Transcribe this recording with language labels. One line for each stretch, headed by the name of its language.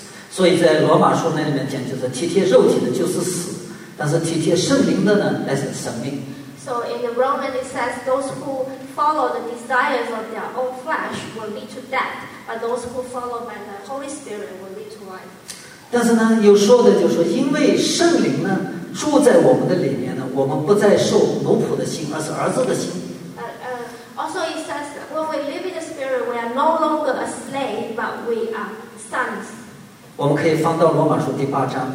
Chinese: 所以在罗马书那里面讲，就是体贴肉体的就是死，但是体贴圣灵的呢，那是生命。
English: So in the Roman it says those who follow the desires of their own flesh will lead to death, but those who follow by the Holy Spirit will lead to life.
Chinese: 但是呢，又说的就是说，因为圣灵呢住在我们的里面呢，我们不再受奴仆的心，而是儿子的心。
English: Also it says when we live in the Spirit, we are no longer a slave, but we are sons.
Chinese: 我们可以翻到罗马书第八章。